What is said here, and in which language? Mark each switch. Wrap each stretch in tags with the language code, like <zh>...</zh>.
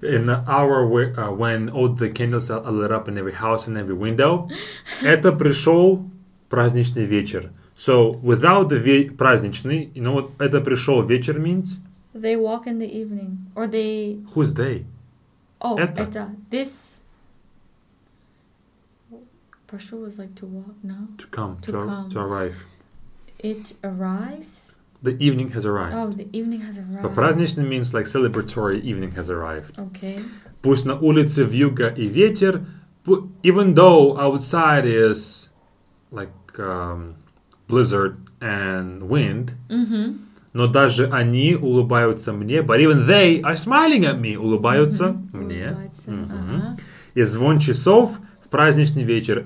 <en>In the hour where, when all the candles are lit up in every house and every window.</en> <ru>Это пришел праздничный вечер.</ru> <en>So without the праздничный, you know what это пришел вечер means? They walk in the evening. Or they... Who's they? Oh, это. This... Прошел was like to walk now? To come. To arrive. It arrives... The evening has arrived. Oh, the evening has arrived. But праздничный means like celebratory evening has arrived. Okay.</en> <ru>Пусть на улице вьюга и ветер.</ru> <en>Even though outside is like blizzard and wind. Mm-hmm.</en> <ru>Но даже они улыбаются мне.</ru> <en>But even they are smiling at me. Улыбаются mm-hmm. мне.</en> <ru>Улыбаются. И звон часов в праздничный вечер.</ru>